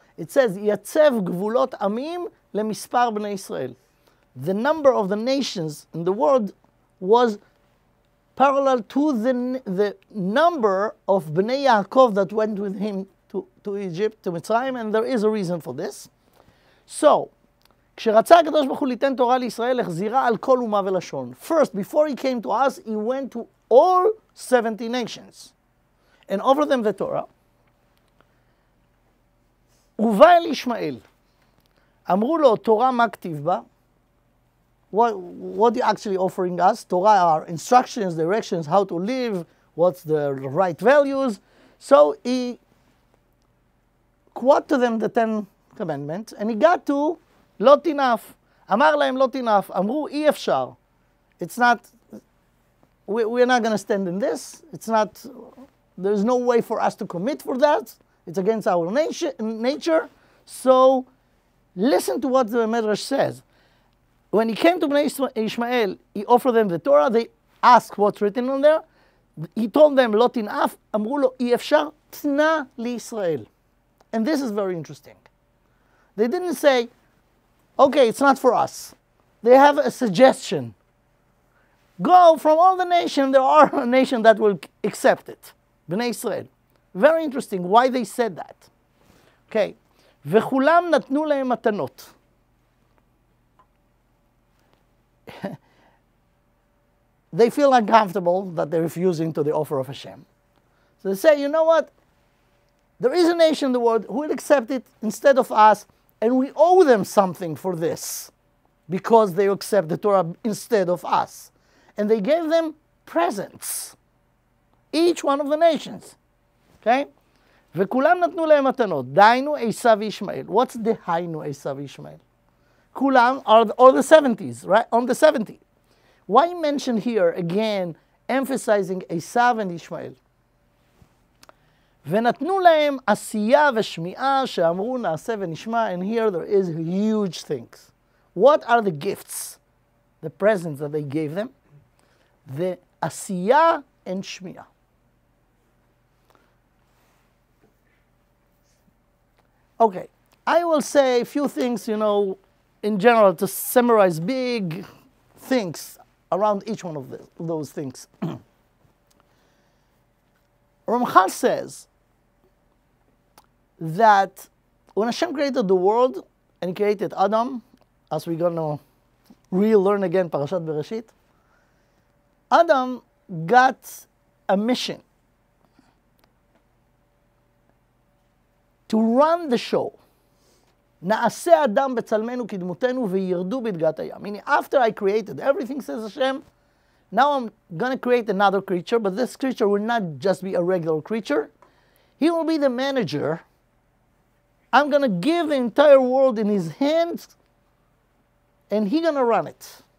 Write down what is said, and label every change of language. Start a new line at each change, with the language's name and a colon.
English: It says,
Hebrew: Yatzev gvulot amim lemispar bnei Israel.
English: The number of the nations in the world was parallel to the number of bnei Yaakov that went with him to Egypt, to Mitzrayim, and there is a reason for this. So,
Hebrew: כשרצה הקדוש ברוך הוא ליתן תורה לישראל, החזירה על כל אומה ולשון.
English: First, before he came to us, he went to all 70 nations and over them the Torah.
Hebrew: ובא אל ישמעאל, אמרו לו, תורה מה כתיב בה?
English: What are you actually offering us? Torah are instructions, directions, how to live, what's the right values. So he quote to them the 10 commandments and he got to Lot enough.
Hebrew: אמר להם
English: Lot enough.
Hebrew: אמרו אי אפשר.
English: It's not, we are not going to stand in this. It's not, there is no way for us to commit for that. It's against our nature. So listen to what the Midrash says. When he came to Bnei Ishmael, he offered them the Torah. They asked what's written on there. He told them, Lot enough.
Hebrew: אמרו לו, אי אפשר, תנה לישראל.
English: And this is very interesting. They didn't say, okay, it's not for us. They have a suggestion. Go from all the nations. There are a nation that will accept it. Bnei Israel. Very interesting why they said that. Okay.
Hebrew: וכולם נתנו להם מתנות.
English: They feel uncomfortable that they're refusing to the offer of Hashem. So they say, you know what? There is a nation in the world who will accept it instead of us, and we owe them something for this because they accept the Torah instead of us. And they gave them presents, each one of the nations.
Hebrew: Okay? וכולם נתנו להם מתנות. דיינו עשיו וישמעאל.
English: What's
Hebrew: דהיינו עשיו וישמעאל?
English: Kulam are all the 70s, right? On the 70. Why mention here again, emphasizing Esav and Ishmael?
Hebrew: ונתנו להם עשייה ושמיעה שאמרו נעשה ונשמע.
English: And here there is huge things. What are the gifts, the presents that they gave them? The עשייה and שמיעה. Okay, I will say a few things, you know, in general, to summarize big things around each one of those things. Ramchal says that when Hashem created the world and created Adam, as we're going to relearn again Parashat Bereshit, Adam got a mission to run the show.
Hebrew: נעשה אדם בצלמנו כדמותנו וירדו בדגת הים.
English: Meaning, after I created everything, says Hashem, now I'm going to create another creature, but this creature will not just be a regular creature. He will be the manager. I'm going to give the entire world in his hands, and he's going to run it.